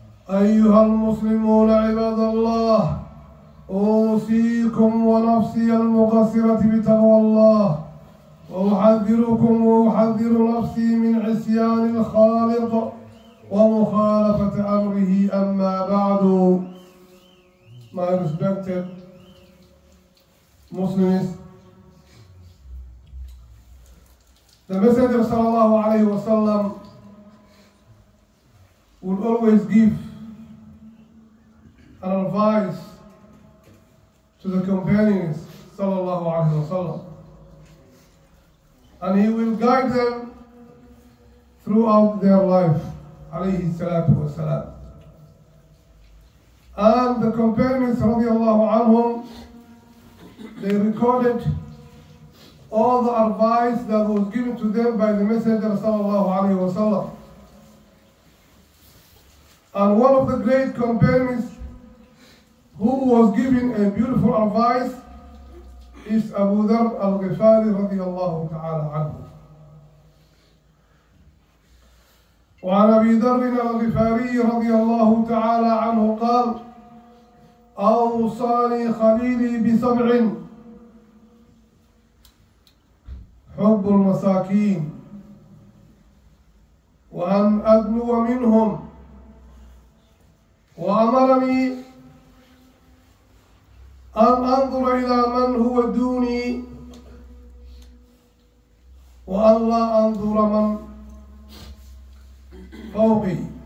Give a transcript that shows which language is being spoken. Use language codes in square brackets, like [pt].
[ar] أيها المسلمون عباد الله، أوصيكم ونفسي المقصرة بتقوى الله، وأحذركم وأحذر نفسي من عصيان الخالق ومخالفة أمره. أما بعد، [en] my respected Muslims, the Messenger sallallahu alayhi wa sallam would always give an advice to the companions sallallahu alayhi wa sallam, and he will guide them throughout their life alayhi salatu wa salam. And the companions radiallahu anhum, they recorded all the advice that was given to them by the Messenger sallallahu alayhi wa sallam. And one of the great companions who was giving a beautiful advice is Abu Dharr al-Ghifari radiallahu ta'ala anhu. [ar] وعن أبي ذر الغفاري رضي الله تعالى عنه قال: أوصاني خليلي بسبع: حب المساكين، وأن أدنو منهم، وأمرني أن أنظر إلى من هو دوني، وأن لا أنظر من فوقي.